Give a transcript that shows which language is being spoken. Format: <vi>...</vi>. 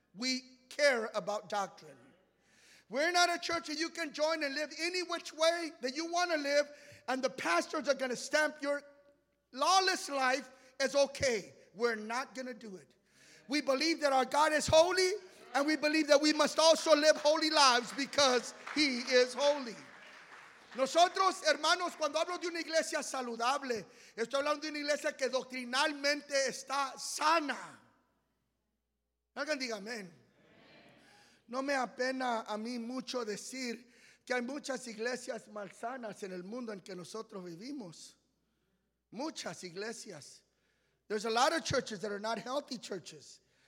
<en>We care about doctrine. We're not a church that you can join and live any which way that you want to live, and the pastors are going to stamp your Lawless life is okay. We're not going to do it. We believe that our God is holy, and we believe that we must also live holy lives because he is holy.</en> <es>Nosotros, hermanos, cuando hablo de una iglesia saludable, estoy hablando de una iglesia que doctrinalmente está sana. Alguien diga amén. No me apena a mí mucho decir que hay muchas iglesias malsanas en el mundo en que nosotros vivimos. Muchas iglesias.</es> <en>There's a lot of churches that are not healthy churches.</en>